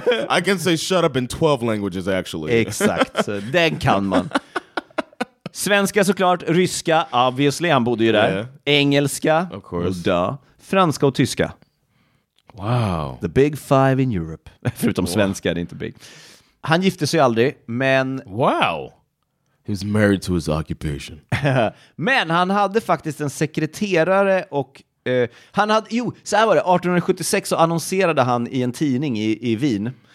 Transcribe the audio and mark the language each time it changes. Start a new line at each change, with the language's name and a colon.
English: I can say shut up in 12 languages, actually.
Swedish: Exakt. Den kan man. Svenska såklart, ryska, obviously, han bodde ju där. Yeah. Engelska,
English: of course.
Swedish: Duh. Franska och tyska.
English: Wow. The big 5 in Europe.
Swedish: Förutom svenska, det är inte big. Han gifte sig aldrig, men...
English: Wow. He was married to his occupation.
Swedish: Men han hade faktiskt en sekreterare och... han hade, jo, så här var det. 1876 så annonserade han i en tidning i Wien...